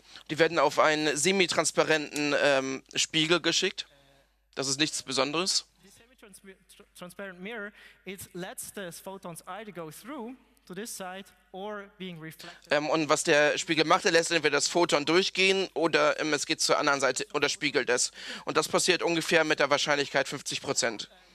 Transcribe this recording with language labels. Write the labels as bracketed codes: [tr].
[de] Die werden auf einen semi-transparenten Spiegel geschickt. Das ist nichts Besonderes. [en] Transparent mirror, it lets the photons either go through to this side or being reflected. [de] Und was der Spiegel macht, er lässt entweder das Photon durchgehen oder es geht zur anderen Seite oder spiegelt es. Und das passiert ungefähr mit der Wahrscheinlichkeit 50%.